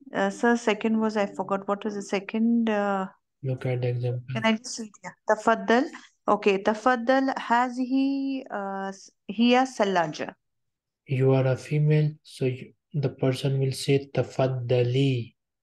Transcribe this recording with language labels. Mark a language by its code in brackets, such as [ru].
[en] so second was I forgot what was the second Look at the example. can I just read yeah. [ar] تفضل okay تفضل هذه هي ثلاجة. [en] You are a female, so the person will say تفضلي.